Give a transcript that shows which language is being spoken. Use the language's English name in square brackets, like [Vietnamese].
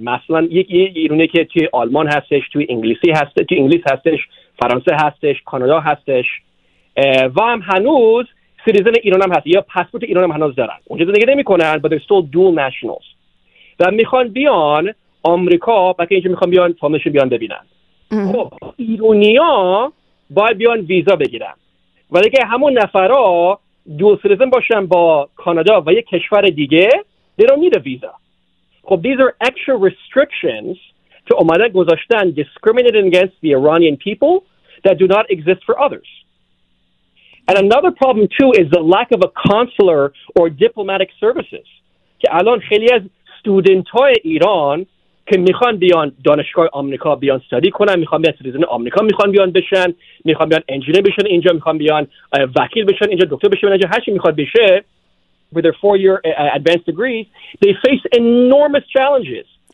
[Persian] مثلا یک ایرانی که توی آلمان هستش، توی انگلیسی هستش، توی انگلیس هستش، فرانسه هستش، کانادا هستش و هم هنوز سیتیزن ایران هم هست یا پاسپورت ایران هم هنوز دارن، اونجا زندگی نمی کنن [English] but they're still dual nationals. [Persian] و و میخوان بیان آمریکا، بلکه اینجا میخوان بیان فامیلشون بیان ببینن. خب ایرانی ها باید بیان ویزا بگیرن، ولی که همون نفرها دوال سیتیزن باشن با کانادا و یک کشور دیگه، [English] they don't need a visa. خب these are extra restrictions to [Persian] اومدن گذاشتن [English] discriminating against the Iranian people that do not exist for others. And another problem too is the lack of a consular or diplomatic services. [Persian] که الان خیلی از ستودنت های ایران که میخوان بیان دانشگاه آمریکا بیان استادی کنن، میخوان بیان سیتیزن آمریکا، میخوان بیان بشن، میخوان بیان انجینیر بشن اینجا، میخوان بیان وکیل بشن اینجا، دکتر بشن اینجا، هرچی میخواد بشه، [English] with their 4-year advanced degrees, they face enormous challenges.